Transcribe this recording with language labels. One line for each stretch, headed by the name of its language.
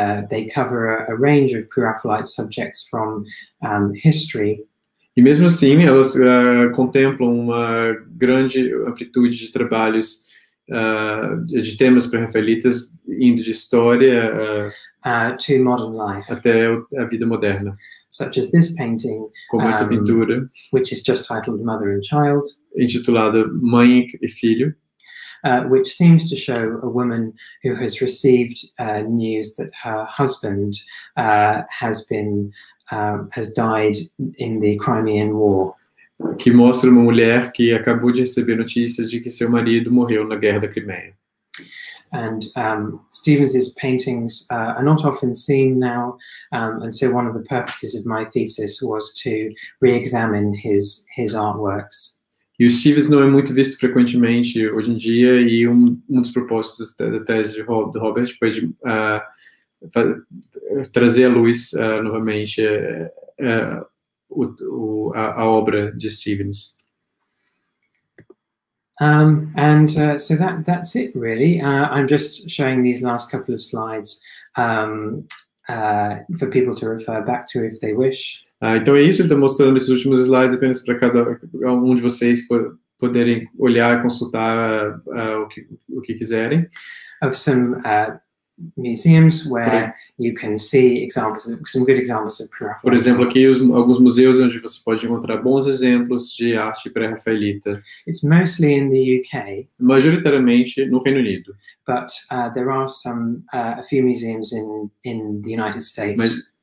English: They cover a range of Pre-Raphaelite subjects from history.
Portuguese: E mesmo assim, elas contemplam uma grande amplitude de trabalhos de temas pré-rafaelitas, indo de história
English: to modern life,
Portuguese: até a vida moderna.
English: Such as this painting,
Portuguese: como essa pintura,
English: which is just titled Mother and Child,
Portuguese: intitulada Mãe e Filho,
English: which seems to show a woman who has received news that her husband has died in the Crimean War.
Portuguese: Que mostra uma mulher que acabou de receber notícias de que seu marido morreu na Guerra da Crimeia.
English: And Stevens's paintings are not often seen now, and so one of the purposes of my thesis was to re-examine his artworks.
Portuguese: E o Stevens não é muito visto frequentemente hoje em dia, e um dos propósitos da tese do Robert foi de trazer à luz novamente a obra de Stevens.
English: That's it really. I'm just showing these last couple of slides for people to refer back to if they wish.
Portuguese: Então é isso, eu estou mostrando esses últimos slides apenas para cada um de vocês poderem olhar e consultar o que quiserem.
English: Of some museums where you can see examples, some good examples of Pre-Raphaelite.
Portuguese: Por exemplo, aqui alguns museus onde você pode encontrar bons exemplos de arte pré-rafaelita.
English: It's mostly in the UK.
Portuguese: Majoritariamente no Reino Unido.
English: But there are some a few museums in the United States.